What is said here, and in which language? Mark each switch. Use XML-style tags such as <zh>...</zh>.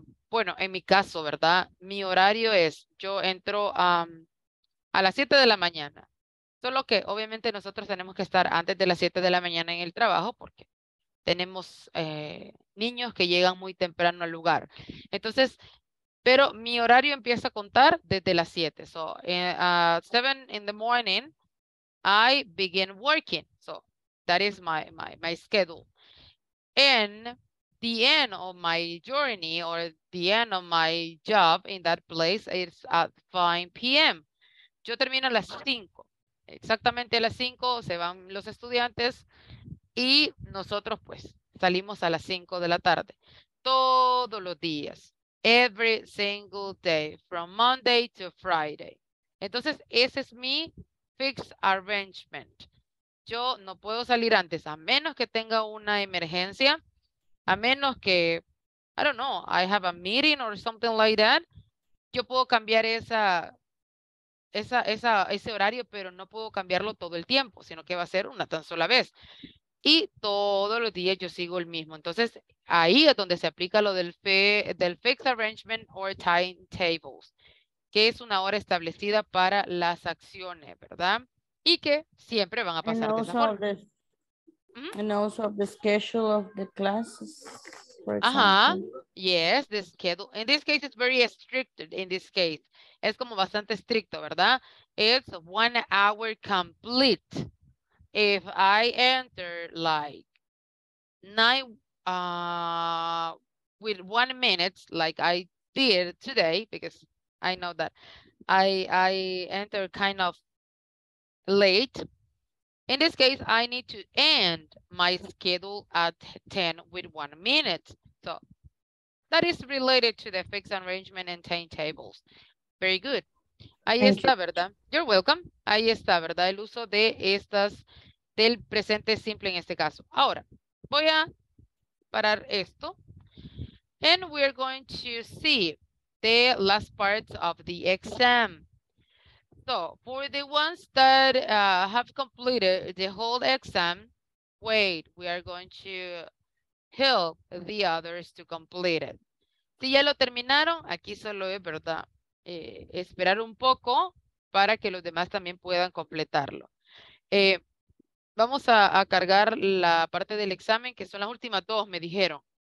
<es>Bueno, en mi caso, ¿verdad? Mi horario es, yo entro a las 7 de la mañana. Solo que obviamente nosotros tenemos que estar antes de las 7 de la mañana en el trabajo porque tenemos niños que llegan muy temprano al lugar. Entonces, pero mi horario empieza a contar desde las 7.</es> <en>So, at 7 in the morning, I begin working. So, that is my schedule. And the end of my journey or the end of my job in that place is at 5 p.m.</en> <es>Yo termino a las 5. Exactamente a las 5 se van los estudiantes y nosotros pues salimos a las 5 de la tarde. Todos los días.</es> <en>Every single day. From Monday to Friday.</en> <es>Entonces ese es mi</es> <en>fixed arrangement.</en> <es>Yo no puedo salir antes a menos que tenga una emergencia. A menos que,</es> <en>I don't know, I have a meeting or something like that.</en> <es>Yo puedo cambiar ese horario, pero no puedo cambiarlo todo el tiempo, sino que va a ser una tan sola vez. Y todos los días yo sigo el mismo. Entonces, ahí es donde se aplica lo del fixed arrangement or timetables, que es una hora establecida para las acciones, ¿verdad? Y que siempre van a pasar de esa forma.</es> <en>And also the schedule of the classes, for example. Yes, the schedule. In this case, it's very strict in this case.</en> <es>Es como bastante estricto, ¿verdad?</es> <en>It's 1 hour complete. If I enter like 9 with 1 minute, like I did today, because I know that I enter kind of late. In this case, I need to end my schedule at 10 with 1 minute. So that is related to the fixed arrangement and timetables. Very good. Ahí Thank está, you. ¿Verdad? You're welcome. Ahí está, ¿verdad?</en> <es>El uso de estas del presente simple en este caso. Ahora, voy a parar esto.</es> <en>And we're going to see the last parts of the exam. So, for the ones that have completed the whole exam, wait, we are going to help the others to complete it.</en> <es>Si ya lo terminaron, aquí solo es, ¿verdad? Esperar un poco para que los demás también puedan completarlo. Vamos a cargar la parte del examen, que son las últimas dos, me dijeron.</es>